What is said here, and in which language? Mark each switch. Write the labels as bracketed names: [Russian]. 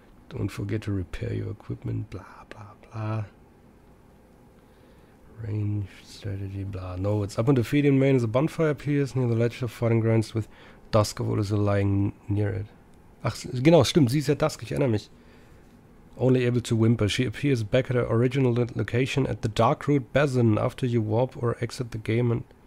[English] Don't forget to repair your equipment, bla bla bla. Range, Strategy, bla. No, it's up on the feed in main as a bonfire appears near the ledge of fighting grounds with Dusk of Olus lying near it. [German] Ach, genau, stimmt, sie ist ja Dusk, ich erinnere mich. [English] Only able to whimper. She appears back at her original location at the Darkroot Basin after you warp or exit the game and...